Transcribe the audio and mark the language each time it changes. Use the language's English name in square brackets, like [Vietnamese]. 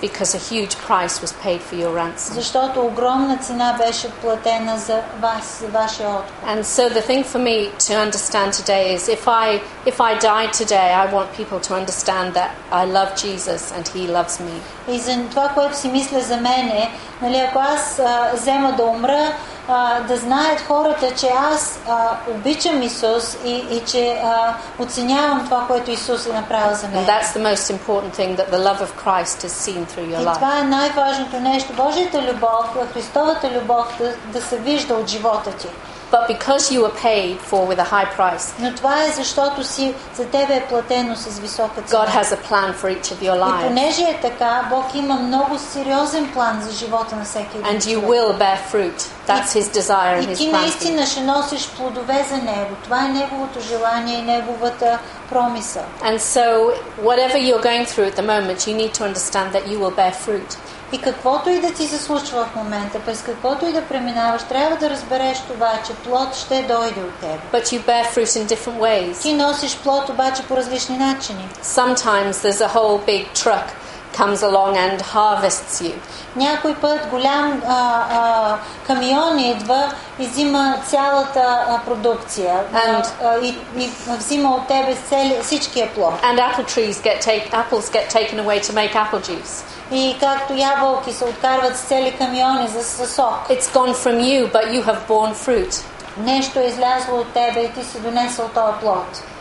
[English] Because a huge price was paid for your ransom. [Bulgarian] Защото огромна цена беше платена за вас, за вашия откуп. [English] And so the thing for me to understand today is if I die today, I want people to understand that I love Jesus and he loves me. [Bulgarian] И за това, което си мисля за мене, нали, ако аз взема да умра, да знаят хората, че аз обичам Исус и че оценявам това, което Исус е направил за мен. [English] And that's the most important thing, that the love of Christ is seen through your life. [Bulgarian] И това е най-важното нещо, Божията любов, Христовата любов да се вижда от живота ти. [English] but because you were paid for with a high price. [Bulgarian] Но това е защото си за тебе е платено с висока цена. [English] God has a plan for each of your lives. [Bulgarian] И понеже е така, Бог има много сериозен план за живота на всеки един. [English] And you will bear fruit. That's his desire and his plan. [Bulgarian] И ти наистина ще носиш плодове за него. Това е неговото желание и неговата промисъл. [English] And so whatever you're going through at the moment, you need to understand that you will bear fruit. [Bulgarian] И каквото и да ти се случва в момента, през каквото и да преминаваш, трябва да разбереш това, че плод ще дойде от теб. [English] But you bear fruit in different ways. [Bulgarian] Ти носиш плод обаче по различни начини. [English] Sometimes there's a whole big truck comes along and harvests you. [Bulgarian] Някой път голям камион идва и взима цялата продукция и взима от тебе всичкия плод. [English] And apples get taken away to make apple juice. [Bulgarian] И както ябълки се откарват с цели камиони за сок. [English] It's gone from you, but you have borne fruit. [Bulgarian] Нещо е излязло от тебе и ти си донесъл този плод.